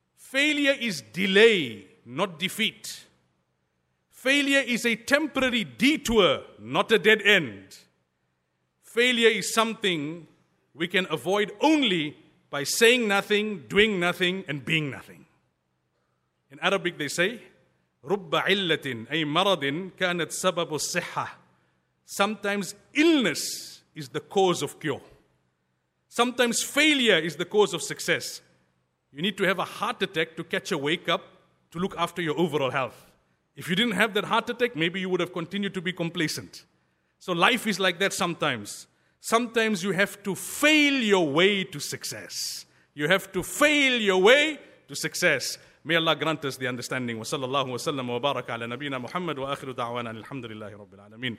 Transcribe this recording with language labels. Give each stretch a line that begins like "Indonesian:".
English: Failure is delay, not defeat. Failure is a temporary detour, not a dead end. Failure is something we can avoid only by saying nothing, doing nothing, and being nothing. In Arabic, they say,
Arabic: رُبَّ عِلَّةٍ أي مَرَضٍ كَانَتْ سَبَبُ الصِّحَّةِ.
English: Sometimes illness is the cause of cure. Sometimes failure is the cause of success. You need to have a heart attack to catch a wake up to look after your overall health. If you didn't have that heart attack, maybe you would have continued to be complacent. So life is like that sometimes. Sometimes you have to fail your way to success. You have to fail your way to success. May Allah grant us the understanding.
Arabic: وصلى الله وسلم وبارك على نبينا محمد وآخر دعوانا الحمد لله رب العالمين.